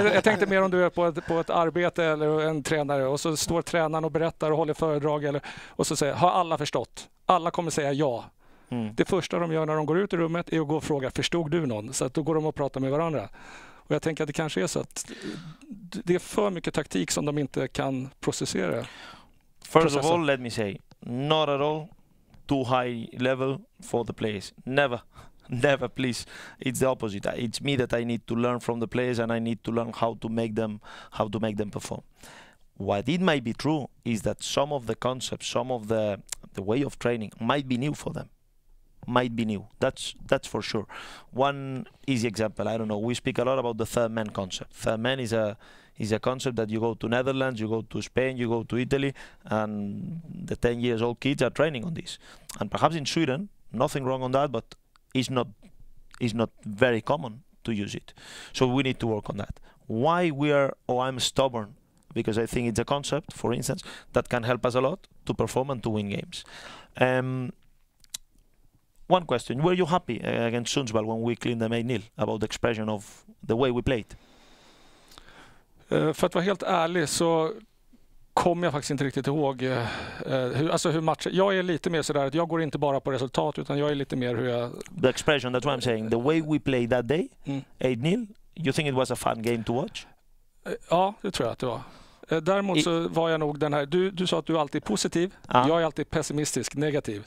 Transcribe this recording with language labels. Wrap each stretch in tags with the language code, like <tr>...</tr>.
<sv>Jag tänkte mer om du är på ett arbete eller en tränare och så står tränaren och berättar och håller föredrag eller, och så säger, har alla förstått? Alla kommer säga ja. Mm. Det första de gör när de går ut i rummet är att gå och fråga, förstod du någon? Så att då går de och pratar med varandra. Och jag tänker att det kanske är så att det är för mycket taktik som de inte kan processera.</sv> <en>First of all, let me say, not at all. Too high level for the players. Never, please. It's the opposite. It's me that I need to learn from the players and I need to learn how to make them perform. What it might be true is that some of the concepts, some of the way of training might be new for them. Might be new. That's for sure. One easy example. I don't know. We speak a lot about the third man concept. Third man is a concept that you go to Netherlands, you go to Spain, you go to Italy, and the 10 years old kids are training on this. And perhaps in Sweden, nothing wrong on that, but it's not very common to use it. So we need to work on that. Why we are, I'm stubborn, because I think it's a concept, for instance, that can help us a lot to perform and to win games. One question, were you happy against Sundsvall when we cleaned them 8-0 about the expression of the way we played?</en> <sv>För att vara helt ärlig så kommer jag faktiskt inte riktigt ihåg hur matchen... Jag är lite mer sådär att jag går inte bara på resultat utan jag är lite mer hur jag...</sv> <en>The expression, that's what I'm saying. The way we played that day, 8-0, you think it was a fun game to watch?</en> <sv>Ja, det tror jag att det var. Däremot så var jag nog den här... Du sa att du alltid är positiv. Jag är alltid pessimistisk, negativ.</sv>